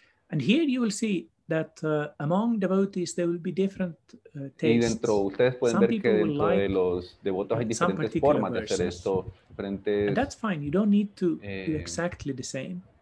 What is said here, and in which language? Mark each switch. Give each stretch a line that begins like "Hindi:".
English: And here you will see that among devotees there will be different tastes.
Spanish: Y dentro ustedes pueden ver que dentro de los devotos hay diferentes formas de hacer esto, diferentes.
English: And that's fine. You don't need to do exactly the same.